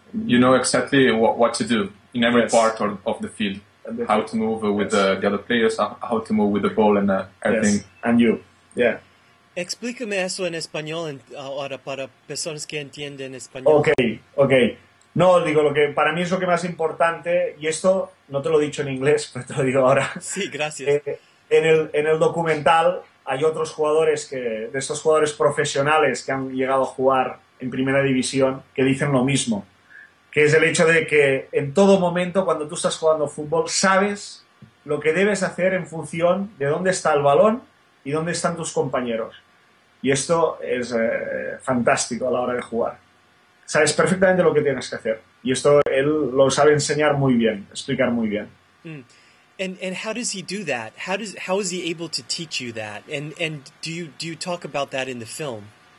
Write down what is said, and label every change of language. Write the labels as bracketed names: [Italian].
[English] You know exactly what to do in every part of the field. How to move with the other players, how to move with the ball and everything. Yes. And you, yeah. [Spanish] Explícame eso en español ahora para personas que entienden español. [English] Okay. [Spanish] No, digo, lo que para mí es lo que más importante, y esto no te lo he dicho en inglés, pero te lo digo ahora. Sí, gracias. En el documental hay otros jugadores, de estos jugadores profesionales que han llegado a jugar en primera división, que dicen lo mismo. Que es el hecho de que en todo momento, cuando tú estás jugando fútbol, sabes lo que debes hacer en función de dónde está el balón y dónde están tus compañeros. Y esto es fantástico a la hora de jugar. Sabes perfectamente lo que tienes que hacer. Y esto él lo sabe enseñar muy bien, explicar muy bien. [English] And how does he do that? How is he able to teach you that? And do you talk about that in the film?